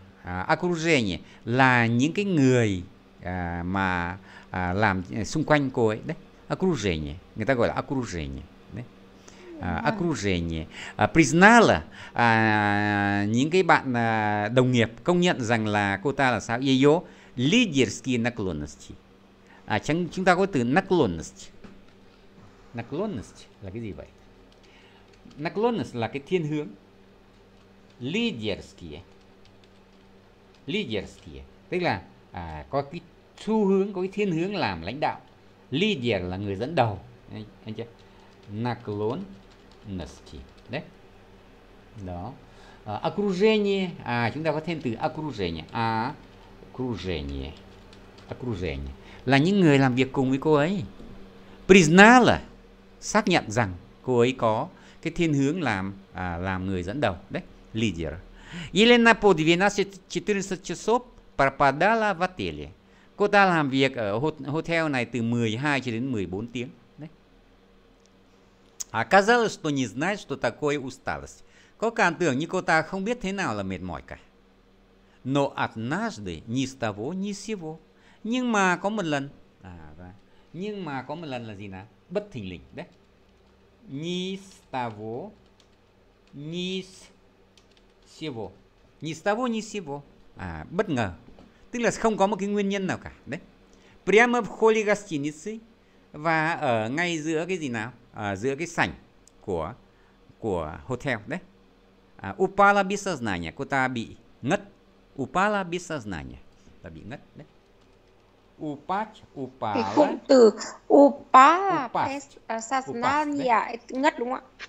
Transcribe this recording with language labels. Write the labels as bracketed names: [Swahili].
[Vietnamese] окружение là những cái người mà làm xung quanh cô ấy đấy. Окружение, người ta gọi là окружение. окружение, признала những cái bạn đồng nghiệp công nhận rằng là cô ta là sao? [Russian] Её лидерские наклонности. [Vietnamese] Chúng ta có từ наклонность. Наклонность là cái gì vậy? Наклонность là cái thiên hướng. [Russian] Лидерские. Лидерские. [Vietnamese] Tức là có cái xu hướng, có cái thiên hướng làm lãnh đạo. Leader là người dẫn đầu. Anh chưa? Наклонности. Đấy. Đó. [Russian] Окружение. [Vietnamese] Chúng ta có thêm từ окружение. [Russian] Окружение. Окружение. [Vietnamese] Là những người làm việc cùng với cô ấy. [Russian] Признала. [Vietnamese] Xác nhận rằng cô ấy có cái thiên hướng làm người dẫn đầu. Đấy. Leader. [Russian] Елена по 12-14 часов пропадала в отеле. [Vietnamese] Cô ta làm việc ở hotel này từ 12 cho đến 14 tiếng. [Russian] Оказалось, что не знает, что такое усталость. [Vietnamese] Có cảm tưởng như cô ta không biết thế nào là mệt mỏi cả. [Russian] Но однажды, ни с того, ни с сего. [Vietnamese] Nhưng mà có một lần. Nhưng mà có một lần là gì nào? Bất thình lình. Đấy. [Russian] Ни с того, ни с сего. Ни с того, ни с сего. [Vietnamese] Bất ngờ. Tức là không có một cái nguyên nhân nào cả. Đấy. [Russian] Прямо в холле гостиницы. [Vietnamese] Và ở ngay giữa cái gì nào? Giữa cái sảnh của hotel đấy. [Russian] Упала без сознания, [Vietnamese] cô ta bị ngất. Упала без сознания, ta bị ngất đấy. [Russian] Упать, упала. [Vietnamese] Cái cụm từ [Russian] упала без сознания, [Vietnamese] ngất đúng không ạ?